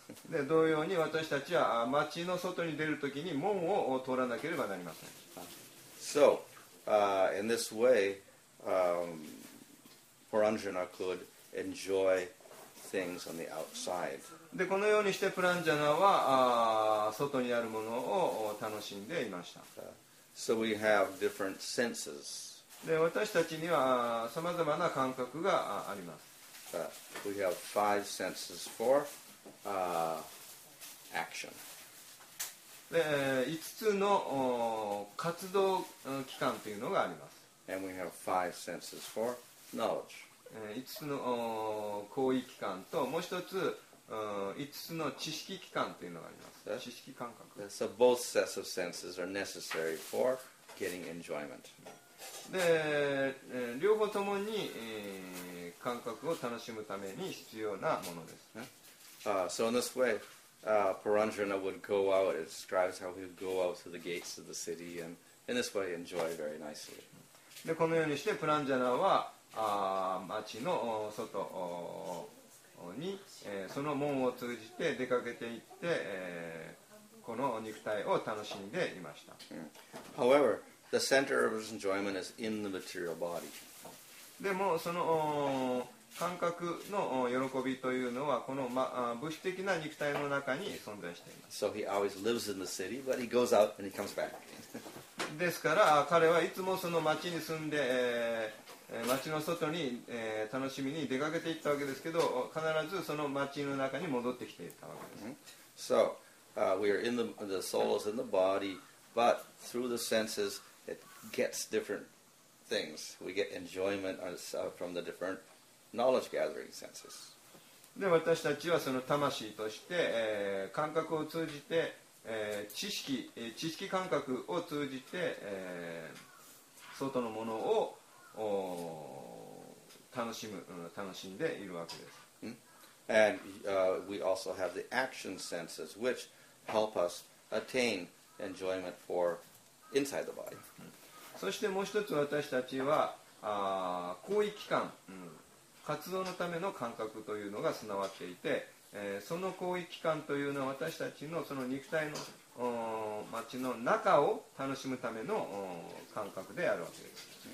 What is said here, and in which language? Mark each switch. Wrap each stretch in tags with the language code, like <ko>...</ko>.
<ja>で、同様に私たちは街の外に出るときに門を通らなければなりません。</ja> <en>So, in this way, Paranjana could enjoy things on the outside.</en> <ja>で、このようにしてプランジャナは外にあるものを楽しんでいました。</ja> <en>So we have different senses.</en> <ja>で私たちにはさまざまな感覚があります。</ja> <en>We have five senses for action.</en> <ja>で5つの活動期間というのがあります。</ja> <en>And we have five senses for knowledge.</en> <ja>5つの行為期間ともう一つ5つの知識期間というのがあります。知識感覚。</ja> <en>So both sets of senses are necessary for getting enjoyment.</en> <ja>で両方ともに感覚を楽しむために必要なものです。</ja> <en>So in this way, Paranjana would go out. It describes how he would go out through the gates of the city and in this way enjoy very nicely.</en> <ja>でこのようにしてプランジャナは街の外に、その門を通じて出かけていって、この肉体を楽しんでいました。</ja> <en>However,The center of his enjoyment is in the material body.</en> <ja>でもその感覚の喜びというのはこの、物質的な肉体の中に存在しています。</ja> <en>So he always lives in the city, but he goes out and he comes back.</en> <ja>ですから彼はいつもその町に住んで、町の外に、楽しみに出かけていったわけですけど、必ずその町の中に戻ってきていたわけです。</ja> <en>So, we are in the soul is in the body, but through the senses,gets different things. We get enjoyment from the different knowledge gathering senses.</en> <ja>で、私たちはその魂として、感覚を通じて、知識感覚を通じて、外のものを楽しんでいるわけです。</ja> <en>And we also have the action senses which help us attain enjoyment for inside the body.</en> <ja>そしてもう一つ私たちは行為期間、活動のための感覚というのが備わっていて、その行為期間というのは私たちのその肉体の街の中を楽しむための感覚であるわけです。</ja>